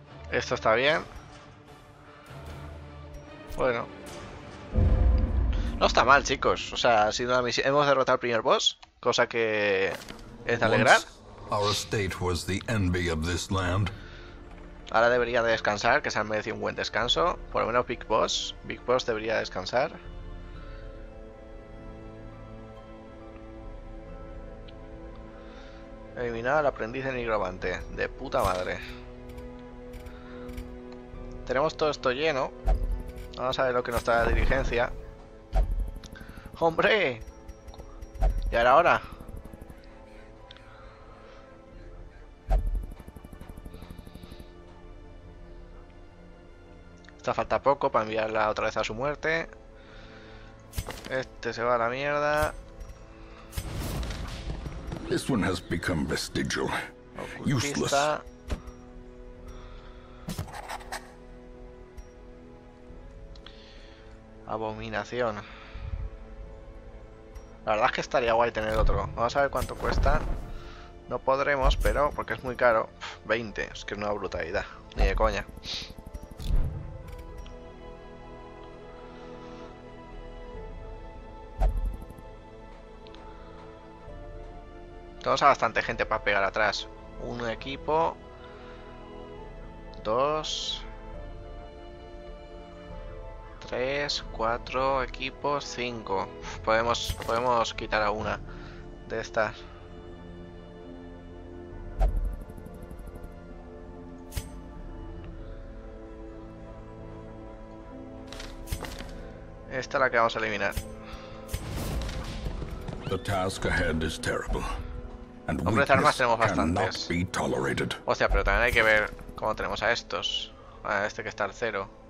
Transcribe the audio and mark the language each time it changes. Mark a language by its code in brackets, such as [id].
[es] Esto está bien. Bueno. No está mal, chicos. O sea, ha sido una misión. Hemos derrotado al primer boss, cosa que es de alegrar. [en] Once our estate was the envy of this land. [es] Ahora debería de descansar, que se han merecido un buen descanso. Por lo menos Big Boss. Big Boss debería descansar. Eliminar al aprendiz de nigromante. De puta madre. Tenemos todo esto lleno. Vamos a ver lo que nos trae la diligencia. ¡Hombre! Ya era hora. Falta poco para enviarla otra vez a su muerte. Este se va a la mierda. [en] This one has become vestigial, useless. [es] Ocultista. Abominación. La verdad es que estaría guay tener otro. Vamos a ver cuánto cuesta. No podremos, pero porque es muy caro. 20, es que es una brutalidad. Ni de coña. Tenemos a bastante gente para pegar atrás. Un equipo. Dos. Tres. Cuatro equipos. Cinco. Podemos quitar a una de estas. Esta es la que vamos a eliminar. [en] The task ahead is terrible. And [es] Hombres de armas [en] weakness [es] tenemos [en] cannot [es] bastantes. [en] be tolerated. [es] Hostia, pero también hay que ver cómo tenemos a estos. A este que está al cero.